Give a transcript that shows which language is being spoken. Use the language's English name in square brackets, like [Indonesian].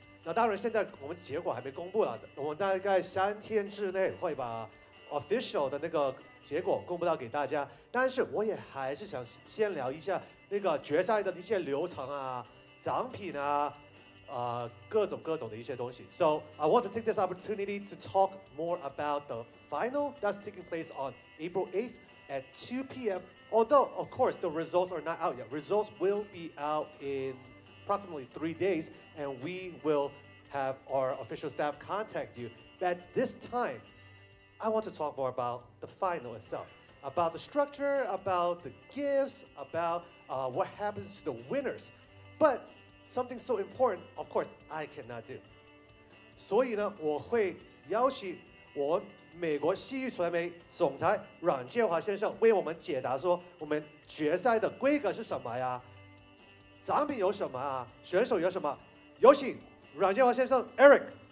[Chinese] 那当然，现在我们结果还没公布了，我们大概3天之内会把 official 的那个结果公布到给大家。但是我也还是想先聊一下那个决赛的一些流程啊、奖品啊、各种的一些东西。 [English] So I want to take this opportunity to talk more about the final that's taking place on April 8th at 2 p.m. Although, of course, the results are not out yet. Results will be out in approximately 3 days, and we will have our official staff contact you. But this time, I want to talk more about the final itself, about the structure, about the gifts, about what happens to the winners. But something so important, of course, I cannot do. [Chinese] 所以呢，我会邀请我们美国西域传媒总裁阮建华先生为我们解答说，我们决赛的规格是什么呀？奖品有什么啊？选手有什么？有请阮建华先生 Eric。